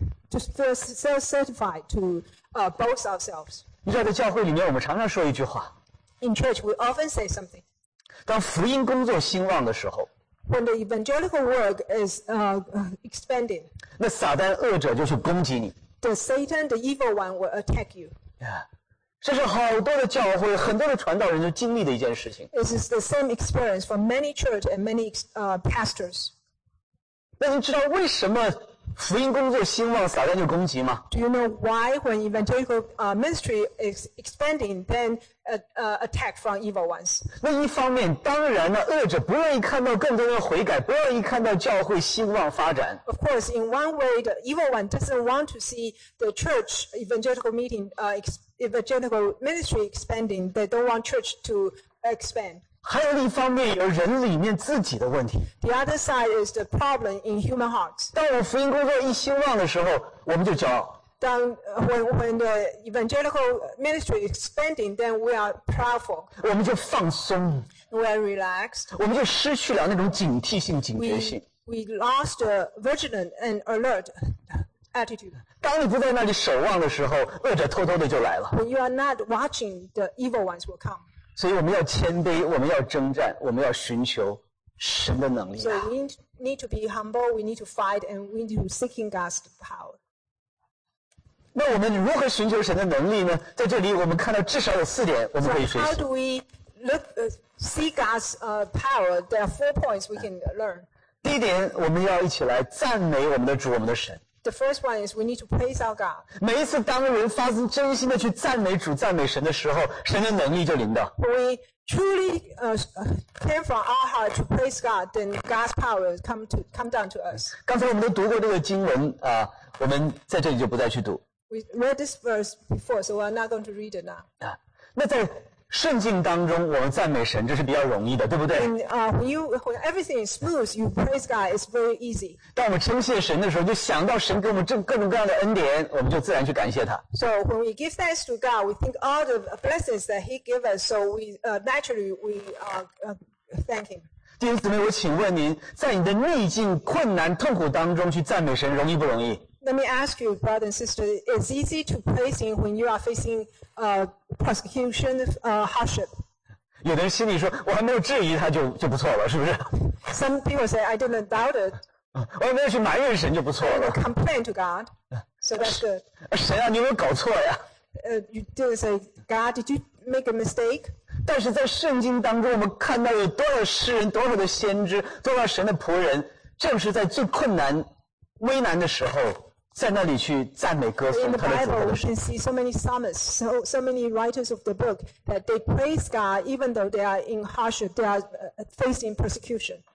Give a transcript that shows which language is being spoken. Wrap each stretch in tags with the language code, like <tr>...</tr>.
<en>to feel certified to boast ourselves.</en> <zh>你知道，在教会里面，我们常常说一句话。</zh> <en>In church, we often say something.</en> <zh>当福音工作兴旺的时候。</zh> <en>When the evangelical work is expanding.</en> <zh>那撒旦恶者就去攻击你。</zh> <en>The Satan, the evil one, will attack you. Yeah.</en> <zh>这是好多的教会很多的传道人都经历的一件事情。</zh> <en>This is the same experience for many church and many pastors.</en> <zh>那你知道为什么福音工作兴旺撒旦就攻击吗？</zh> <en>Do you know why when evangelical ministry is expanding, then attack from evil ones?</en> <zh>那一方面当然呢，恶者不愿意看到更多人悔改，不愿意看到教会兴旺发展。</zh> <en>Of course, in one way, the evil one doesn't want to see the church evangelical meeting evangelical ministry expanding, they don't want church to expand.</en> <zh>还有一方面有人里面自己的问题。</zh> <en>The other side is the problem in human hearts.</en> <zh>当我福音工作一兴旺的时候，我们就骄傲。</zh> <en>When the evangelical ministry is expanding, then we are proudful.</en> <zh>我们就放松。</zh> <en>We are relaxed.</en> <zh>我们就失去了那种警惕性、警觉性。</zh> <en>We lost the vigilant and alert. Attitude.</en> <zh>当你不在那里守望的时候，恶者偷偷的就来了。</zh> <en>When you are not watching, the evil ones will come.</en> <zh>所以我们要谦卑，我们要征战，我们要寻求神的能力。</zh> <en>So we need to be humble, we need to fight, and we need to seeking God's power.</en> <zh>那我们如何寻求神的能力呢？在这里我们看到至少有四点我们可以学习。</zh> <en>So how do we look, see God's power? There are four points we can learn.</en> <zh>第一点，我们要一起来赞美我们的主，我们的神。</zh> <en>The first one is we need to praise our God.</en> <zh>每一次当人发自真心的去赞美主、赞美神的时候，神的能力就临到。</zh> <en>We truly came from our heart to praise God, then God's power come down to us.</en> <zh>刚才我们都读过这个经文啊，我们在这里就不再去读。</zh> <en>We read this verse before, so we're not going to read it now.</en> <zh>啊，那在顺境当中，我们赞美神，这是比较容易的，对不对？</zh> <en>When everything is smooth, you praise God, it's very easy.</en> <zh>当我们称谢神的时候，就想到神给我们这各种各样的恩典，我们就自然去感谢他。</zh> <en>So when we give thanks to God, we think all the blessings that He gave us, so we naturally we thank Him.</en> <zh>弟兄姊妹，我请问您，在你的逆境、困难、痛苦当中去赞美神，容易不容易？</zh> <en>Let me ask you, brother and sister, is easy to praise Him when you are facing persecution, hardship?</en> <zh>有的人心里说，我还没有质疑他就不错了，是不是？</zh> <en>Some people say, I didn't doubt it.</en> <zh>我还没有去埋怨神就不错了。</zh> <en>I didn't complain to God, so that's good.</en> <zh>神啊，你有没有搞错呀？</zh> <en>You didn't say, God, did you make a mistake?</en> <zh>但是在圣经当中，我们看到有多少诗人、多少的先知、多少神的仆人，正是在最困难。危难的时候，在那里去赞美歌颂他的主。</zh> <en>In the Bible, we can see so many psalmists, so many writers of the book that they praise God even though they are in hardship, they are facing persecution.</en>